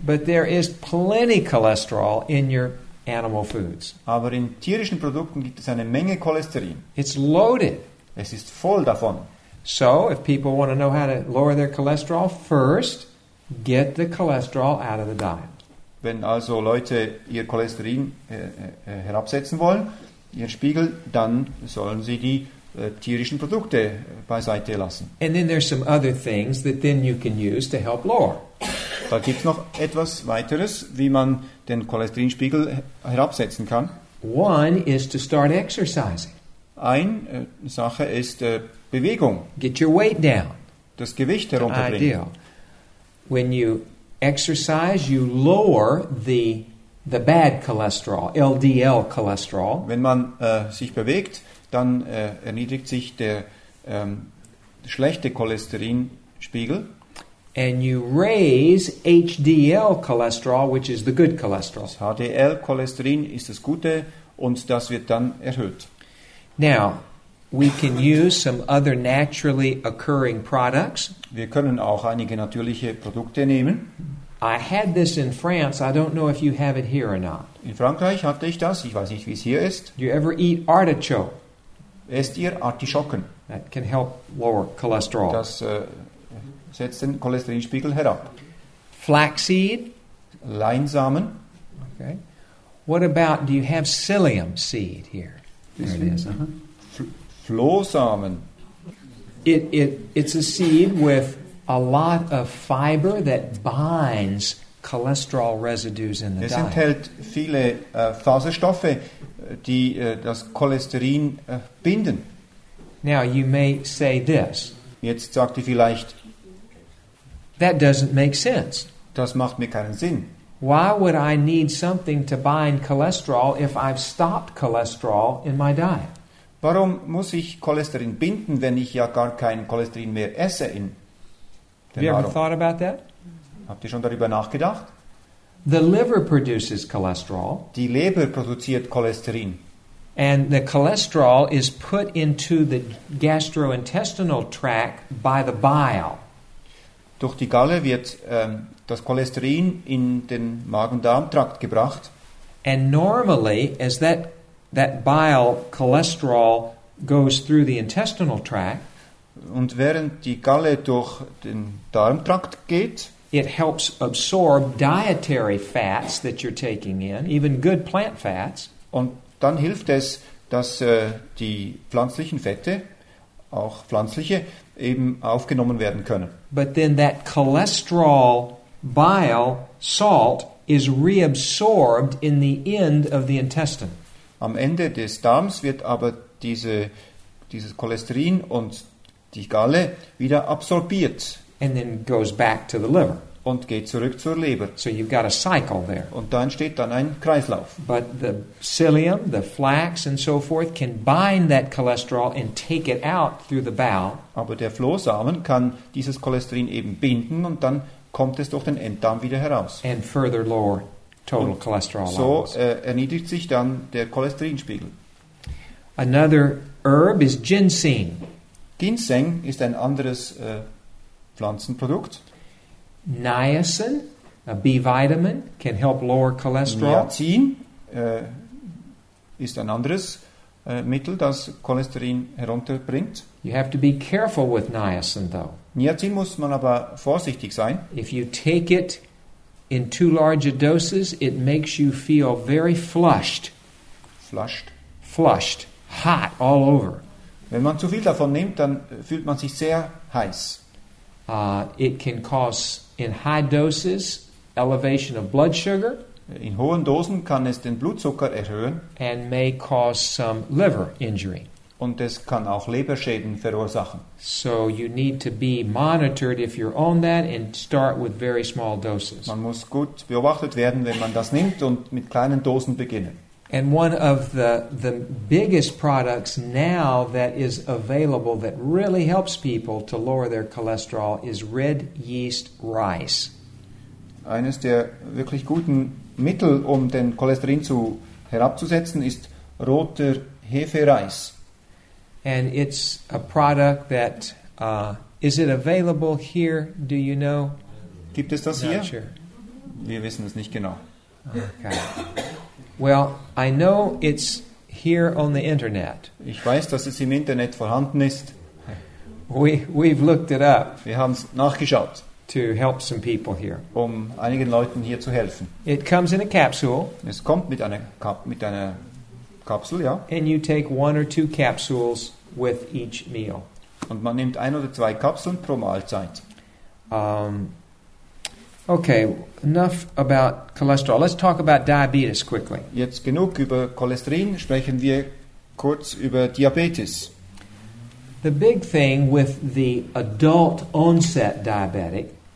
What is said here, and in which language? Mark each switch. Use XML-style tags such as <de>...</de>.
<en>But there is plenty cholesterol in your animal foods.</en> <de>Aber in tierischen Produkten gibt es eine Menge Cholesterin.</de> <en>It's loaded.</en> <de>Es ist voll davon.</de> <en>So, if people want to know how to lower their cholesterol, first get the cholesterol out of the diet.</en> <de>Wenn also Leute ihr Cholesterin herabsetzen wollen, ihren Spiegel, dann sollen sie die tierischen Produkte beiseite lassen.</de> <en>And then there's some other things that then you can use to help lower.</en> <de>Da gibt's noch etwas weiteres, wie man den Cholesterinspiegel herabsetzen kann.</de> <en>One is to start exercising.</en> <de>Eine Sache ist Bewegung.</de> <en>Get your weight down.</en> <de>Das Gewicht herunterbringen.</de> <en>Ideal. When you exercise, you lower the bad cholesterol, LDL cholesterol.</en> <de>Wenn man sich bewegt, dann erniedrigt sich der schlechte Cholesterinspiegel.</de> <en>And you raise HDL cholesterol, which is the good cholesterol.</en> <de>HDL Cholesterin ist das Gute und das wird dann erhöht.</de> <en>Now, we can use some other naturally occurring products.</en> <de>Wir können auch einige natürliche Produkte nehmen.</de> <en>I had this in France. I don't know if you have it here or not.</en> <de>In Frankreich hatte ich das. Ich weiß nicht, wie es hier ist.</de> <en>Do you ever eat artichoke?</en> <de>Esst ihr Artischocken?</de> <en>That can help lower cholesterol.</en> <de>Setzt den Cholesterinspiegel herab.</de> <en>Flaxseed.</en> <de>Leinsamen.</de> <en>Okay. What about, do you have psyllium seed here? There it is. Flohsamen. It's a seed with a lot of fiber that binds cholesterol residues in the</en> <de>diet. Es enthält viele Faserstoffe, die das Cholesterin binden.</de> <en>Now you may say this.</en> <de>Jetzt sagt ihr vielleicht,</de> <en>that doesn't make sense.</en> <de>Das macht mir keinen Sinn.</de> <en>Why would I need something to bind cholesterol if I've stopped cholesterol in my diet?</en> <de>Warum muss ich Cholesterin binden, wenn ich ja gar kein Cholesterin mehr esse in der Nahrung?</de> <en>Have you thought about that?</en> <de>Habt ihr schon darüber nachgedacht?</de> <en>The liver produces cholesterol.</en> <de>Die Leber produziert Cholesterin.</de> <en>And the cholesterol is put into the gastrointestinal tract by the bile.</en> <de>Durch die Galle wird das Cholesterin in den Magen-Darm-Trakt gebracht.</de> <en>And normally, as that bile cholesterol goes through the intestinal tract,</en> <de>und während die Galle durch den Darmtrakt geht,</de> <en>it helps absorb dietary fats that you're taking in, even good plant fats.</en> <de>Und dann hilft es, dass die pflanzlichen Fette, auch pflanzliche, eben aufgenommen werden können.</de> <en>But then that cholesterol bile salt is reabsorbed in the end of the intestine.</en> <de>Am Ende des Darms wird aber dieses Cholesterin und die Galle wieder absorbiert.</de> <en>And then goes back to the liver.</en> <de>Und geht zurück zur Leber.</de> <en>So you've got a cycle there.</en> <de>Und da entsteht dann ein Kreislauf.</de> <en>But the psyllium, the flax and so forth can bind that cholesterol and take it out through the bowel.</en> <de>Aber der Flohsamen kann dieses Cholesterin eben binden und dann kommt es durch den Enddarm wieder heraus.</de> <en>And further lower total cholesterol levels.</en> <de>So erniedrigt sich dann der Cholesterinspiegel.</de> <en>Another herb is ginseng.</en> <de>Ginseng ist ein anderes Pflanzenprodukt.</de> <en>Niacin, a B vitamin, can help lower cholesterol.</en> <de>Niacin ist ein anderes Mittel, das Cholesterin herunterbringt.</de> <en>You have to be careful with niacin, though.</en> <de>Niacin muss man aber vorsichtig sein.</de> <en>If you take it in too large a doses, it makes you feel very flushed. Flushed? Flushed. Hot all over.</en> <de>Wenn man zu viel davon nimmt, dann fühlt man sich sehr heiß.</de> <en>It can cause, in high doses, elevation of blood sugar.</en> <de>In hohen Dosen kann es den Blutzucker erhöhen.</de> <en>And may cause some liver injury.</en> <de>Und es kann auch Leberschäden verursachen.</de> <en>So you need to be monitored if you're on that and start with very small doses.</en> <de>Man muss gut beobachtet werden, wenn man das nimmt und mit kleinen Dosen beginnen.</de> <en>And one of the biggest products now that is available that really helps people to lower their cholesterol is red yeast rice.</en> <de>Eines der wirklich guten Mittel, um den Cholesterin herabzusetzen, ist roter Hefereis.</de> <en>And it's a product that, is it available here, do you know?</en> <de>Gibt es das hier?</de> <en>Not sure.</en> <de>Wir wissen es nicht genau.</de> <en>Okay. Well, I know it's here on the internet.</en> <de>Ich weiß, dass es im Internet vorhanden ist.</de> <en>We've looked it up.</en> <de>Wir haben es nachgeschaut.</de> <en>To help some people here.</en> <de>Um einigen Leuten hier zu helfen.</de> <en>It comes in a capsule.</en> <de>Es kommt mit einer Kapsel, ja.</de> <en>And you take one or two capsules with each meal.</en> <de>Und man nimmt ein oder zwei Kapseln pro Mahlzeit.</de> <en>Okay, enough about cholesterol. Let's talk about diabetes quickly.</en> <de>Jetzt genug über Cholesterin, sprechen wir kurz über Diabetes.</de> <en>The big thing with the adult onset diabetic.</en>